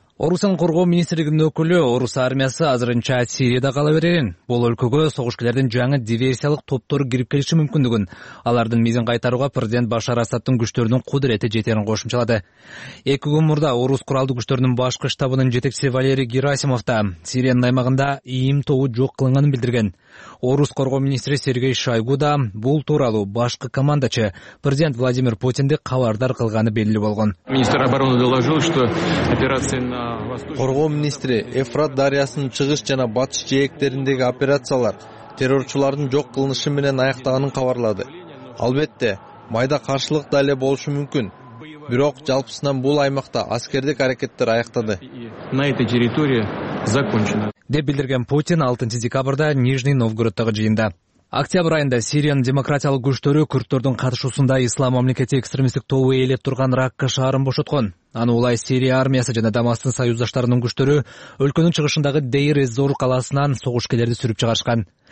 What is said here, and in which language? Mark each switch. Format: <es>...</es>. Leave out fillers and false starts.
<ky>Орусиянын коргоо министрлигинин өкүлү орус армиясы азырынча Сирияда кала берерин, бул өлкөгө согушкерлердин жаңы диверсиялык топтору кирип келиши мүмкүндүгүн, алардын мизин кайтарууга президент Башар Асадтын күчтөрүнүн кудурети жетерин кошумчалады. Эки күн мурда орус куралдуу күчтөрүнүн башкы штабынын жетекчиси Валерий Герасимов да Сириянын аймагында ИИМ тобу жок кылынганын билдирген. Орус коргоо министри Сергей Шойгу да бул тууралуу башкы командачы президент Владимир Путинди кабардар кылганы белгилүү болгон.</ky> <ru>Министр обороны доложил, что операция на</ru> <ky>Коргоо министри Эфрат дарыясынын чыгыш жана батыш жээктериндеги операциялар террорчулардын жок кылынышы менен аяктаганын кабарлады. Албетте, майда каршылык да эле болушу мүмкүн. Бирок жалпысынан бул аймакта аскердик аракеттер аяктады.</ky> <ru>На этой территории закончено.</ru> <ky>Деп билдирген Путин 6 декабрда Нижний Новгородтогу жыйында. Октябрь айында Сириянын демократиялык күчтөрү күрдтөрдүн катышуусунда ислам мамлекети экстремисттик тобу ээлеп турган Ракка шаарын бошоткон. Аны улай Сирия армиясы жана Дамасктын союздаштарынын күчтөрү өлкөнүн чыгышындагы Дейр-эз-Зор калаасынан согушкерлерди сүрүп чыгарышкан.</ky>